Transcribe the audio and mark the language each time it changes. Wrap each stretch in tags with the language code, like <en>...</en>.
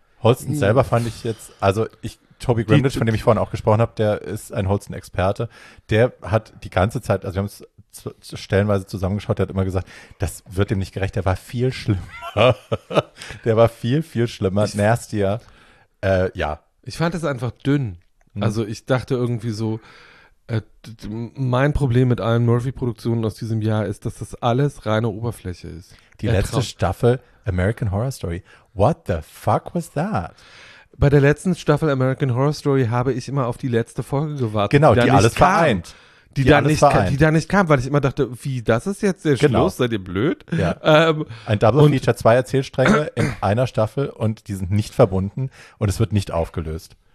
<de>Holsten selber fand ich jetzt, also ich Toby Grimlich, von dem ich vorhin auch gesprochen habe, der ist ein Holsten-Experte, der hat die ganze Zeit, also wir haben es stellenweise zusammengeschaut, der hat immer gesagt, das wird dem nicht gerecht, der war viel schlimmer. Der war viel, viel schlimmer, nastier. Ich fand es einfach dünn. Also ich dachte irgendwie so, mein Problem mit allen Murphy-Produktionen aus diesem Jahr ist, dass das alles reine Oberfläche ist. Die letzte Staffel American Horror Story,</de> <en>what the fuck was that?</en> <de>Bei der letzten Staffel American Horror Story habe ich immer auf die letzte Folge gewartet. Genau, die alles vereint. Die da nicht kam, weil ich immer dachte, wie, das ist jetzt der Schluss, seid ihr blöd? Ja. Ein Double Feature, zwei Erzählstränge in einer Staffel und die sind nicht verbunden und es wird nicht aufgelöst.</de>